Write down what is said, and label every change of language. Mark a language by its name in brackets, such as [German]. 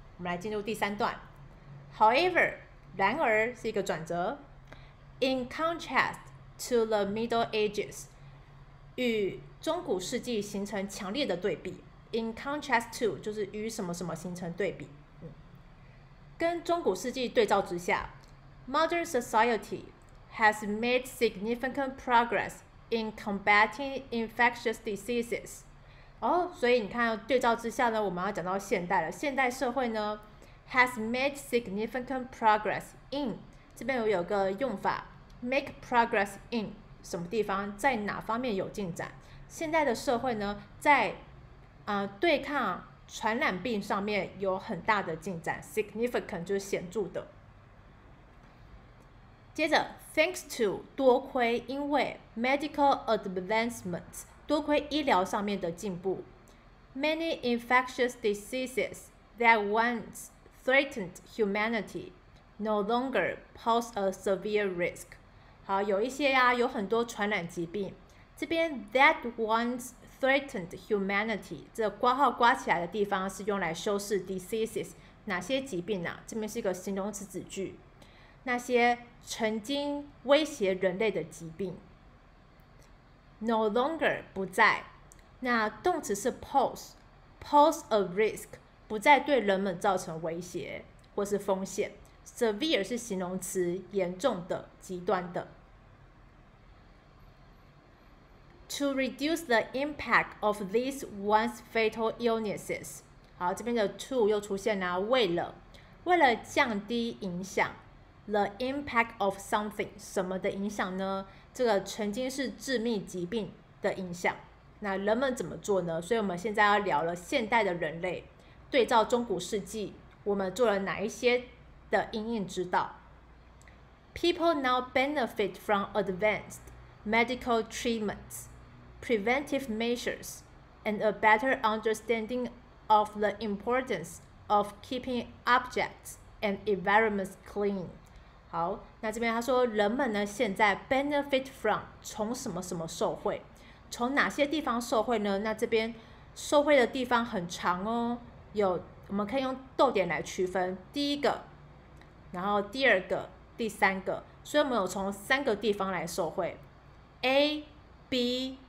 [Chinese] 我们来进入第三段。 [English] However， [Chinese] 然而是一个转折。 [English] In contrast to the Middle Ages， [Chinese] 与中古世纪形成强烈的对比。 [English] In contrast to [Chinese] 就是与什么什么形成对比。跟中古世纪对照之下， [English] Modern society has made significant progress in combating infectious diseases。 [Chinese] 哦，所以你看，对照之下呢，我们要讲到现代了。现代社会呢， [English] has made significant progress in， [Chinese] 这边有个用法， [English] make progress in [Chinese] 什么地方，在哪方面有进展？现代的社会呢，在对抗。传染病上面有很大的进展，significant 就是显著的。接着， [English] thanks to [Chinese] 多亏因为 [English] medical advancements [Chinese] 多亏医疗上面的进步， [English] many infectious diseases that once threatened humanity no longer pose a severe risk。 [Chinese] 好，有一些呀，有很多传染疾病，这边 [English] that once threatened humanity， [Chinese] 这括号刮起来的地方是用来修饰 diseases 哪些疾病呢、啊？这边是一个形容词子句，那些曾经威胁人类的疾病， [English] no longer [Chinese] 不再。那动词是 [English] pose a risk， [Chinese] 不再对人们造成威胁或是风险。 severe 是形容词，严重的、极端的。 [English] To reduce the impact of these once fatal illnesses， [Chinese] 好，这边的 [English] to [Chinese] 又出现了，为了降低影响， [English] the impact of something [Chinese] 什么的影响呢？这个曾经是致命疾病的影响，那人们怎么做呢？所以我们现在要聊了现代的人类对照中古世纪，我们做了哪一些的因应之道？ [English] People now benefit from advanced medical treatments。 Preventive measures and a better understanding of the importance of keeping objects and environments clean。 [Chinese] 好，那这边他说，人们呢现在 [English] benefit from [Chinese] 从什么什么受惠，从哪些地方受惠呢？那这边受惠的地方很长哦，有我们可以用逗点来区分，第一个，然后第二个，第三个，所以我们有从三个地方来受惠，A、B。